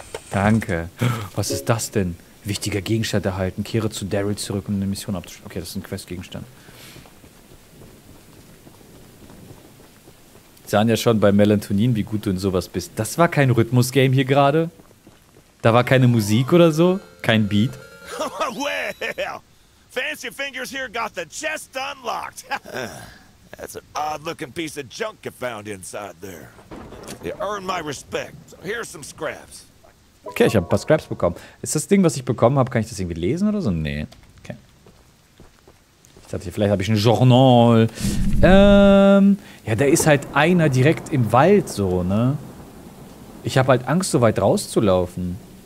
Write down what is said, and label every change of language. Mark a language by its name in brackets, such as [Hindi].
[German] Danke. Was ist das denn? Wichtiger Gegenstand erhalten. Kehre zu Daryl zurück, um eine Mission abzuschließen. Okay, das ist ein Questgegenstand. Sie sahen ja schon bei Melatonin, wie gut du in sowas bist. Das war kein Rhythmus-Game hier gerade. Da war keine Musik oder so. Kein Beat. [English] Well, fancy fingers here got the chest unlocked. That's an odd-looking piece of junk you found inside there. You earned my respect. So here's some scraps. [German] Okay, ich habe ein paar Scraps bekommen. Ist das Ding, was ich bekommen habe, kann ich das irgendwie lesen oder so? Nee. Okay. Ich dachte, vielleicht habe ich ein Journal. Ja, da ist halt einer direkt im Wald so, ne? Ich habe halt Angst, so weit rauszulaufen.